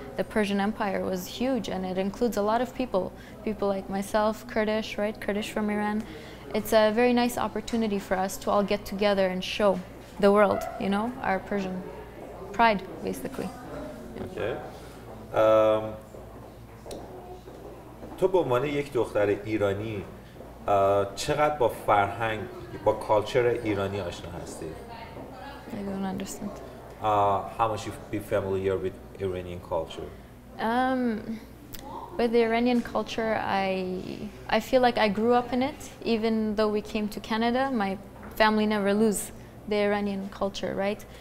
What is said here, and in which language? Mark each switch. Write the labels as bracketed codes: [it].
[en] The Persian Empire was huge, and it includes a lot of people. People like myself, Kurdish, right? Kurdish from Iran. It's a very nice opportunity for us to all get together and show the world, you know, our Persian pride, basically. Okay. [fa] تو به عنوان یک دختر ایرانی چقدر با فرهنگ با کالچر ایرانی آشنا هستی؟ [en] I don't understand. How much you be familiar with Iranian culture? With the Iranian culture, I feel like I grew up in it. Even though we came to Canada, my family never lose the Iranian culture, right?